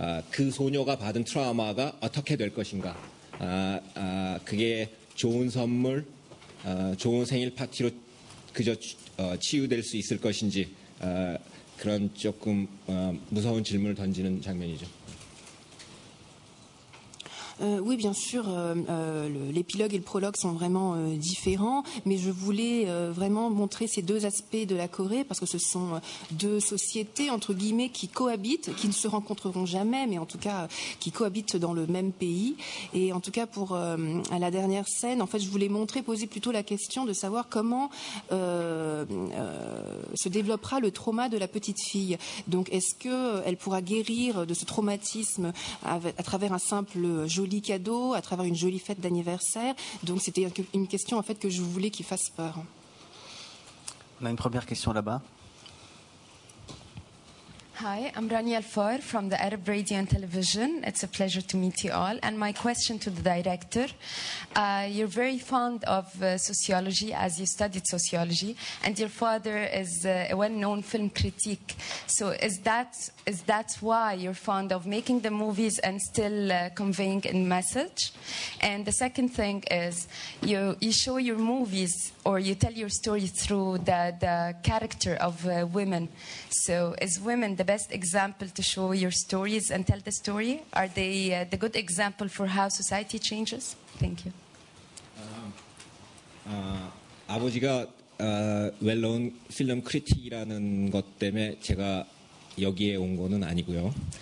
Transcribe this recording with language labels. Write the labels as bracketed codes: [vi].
[ko] 그 소녀가 받은 트라우마가 어떻게 될 것인가. 그게 좋은 선물, 좋은 생일 파티로 그저 치유될 수 있을 것인지 그런 조금 무서운 질문을 던지는 장면이죠. [fr] Oui, bien sûr, l'épilogue et le prologue sont vraiment différents, mais je voulais vraiment montrer ces deux aspects de la Corée, parce que ce sont deux sociétés, entre guillemets, qui cohabitent, qui ne se rencontreront jamais, mais en tout cas, qui cohabitent dans le même pays. Et en tout cas, pour à la dernière scène, en fait, je voulais montrer, poser plutôt la question de savoir comment se développera le trauma de la petite fille. Donc, est-ce qu'elle pourra guérir de ce traumatisme à travers un simple jeu joli cadeau à travers une jolie fête d'anniversaire. Donc c'était une question en fait que je voulais qu'il fasse peur. On a une première question là-bas. [en] Hi, I'm Ranielle Foer from the Arab Radio and Television. It's a pleasure to meet you all. And my question to the director, you're very fond of sociology as you studied sociology, and your father is a well-known film critique. So is that why you're fond of making the movies and still conveying a message? And the second thing is you show your movies or you tell your story through the character of women. So is women the best example to show your stories and tell the story? Are they the good example for how society changes? Thank you. [ko] 아버지가 [en] well-known film critic [ko] 이라는 것 때문에 제가 여기에 온 거는 아니고요.